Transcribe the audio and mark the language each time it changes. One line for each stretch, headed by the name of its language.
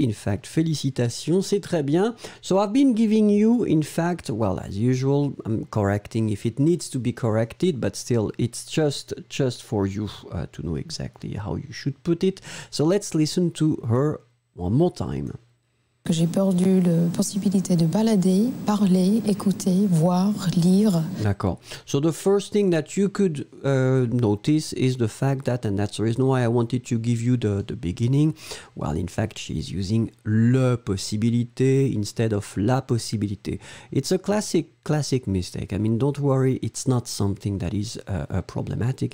English: In fact, félicitations,
French: c'est très bien.
English: So I've been giving you, in fact, well, as usual, I'm correcting if it needs to be corrected, but still, it's just for you to know exactly how you should put it. So let's listen to her One more time.
French: Que j'ai perdu la possibilité de balader, parler, écouter, voir, lire. D'accord.
English: So the first thing that you could notice is the fact that, and that's the reason why I wanted to give you the beginning. Well, in fact, she's using le possibilité instead of la possibilité. It's a classic mistake. I mean, don't worry, it's not something that is problematic.